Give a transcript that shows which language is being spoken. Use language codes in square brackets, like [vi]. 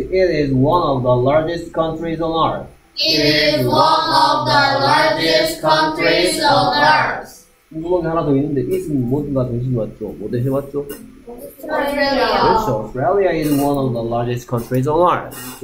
[en] It is one of the largest countries on Earth. It is one of the largest countries on Earth. [ko] 궁금한 게 하나 더 있는데, [en] is [ko] 는 뭔가 대신 왔죠? 뭐 대신 왔죠? [en] Australia. [ko] 그렇죠. [en] Australia is one of the largest countries on earth.